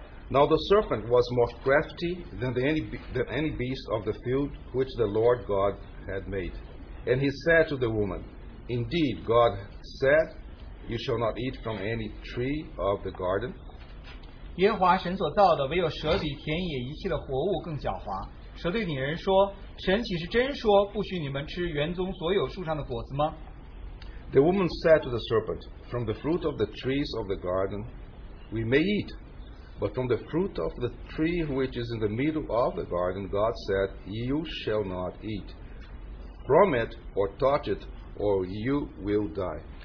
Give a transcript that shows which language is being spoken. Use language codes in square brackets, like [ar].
[en] Now the serpent was more crafty than any beast of the field which the Lord God had made. And he said to the woman, Indeed, God said, You shall not eat from any tree of the garden. [zh] 耶和华神所造的唯有蛇比田野一切的活物更狡猾。蛇对女人说，神岂是真说不许你们吃园中所有树上的果子吗？ [en] The woman said to the serpent, From the fruit of the trees of the garden we may eat, but from the fruit of the tree which is in the middle of the garden, God said, You shall not eat from it or touch it, or you will die.